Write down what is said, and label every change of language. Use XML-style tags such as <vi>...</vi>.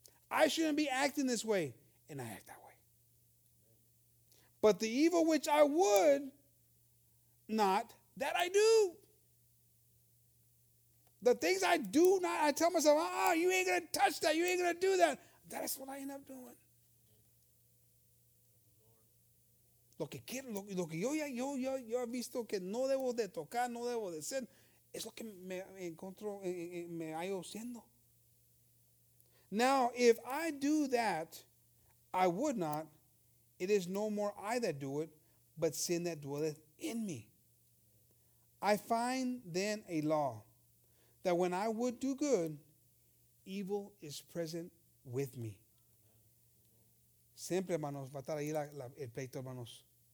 <en>I shouldn't be acting this way, and I act that way. But the evil which I would not, that I do. The things I do not, I tell myself, oh, you ain't going to touch that, you ain't going to do that. That's what I end up doing.</en> <es>Lo que quiero, lo que yo he visto que no debo de tocar, no debo de ser, es lo que me encuentro, me hallo siendo.</es> <en>Now, if I do that, I would not, it is no more I that do it, but sin that dwelleth in me. I find then a law, that when I would do good, evil is present with me.</en> <es>Siempre, hermanos, va a estar ahí el pleito, hermanos.</es>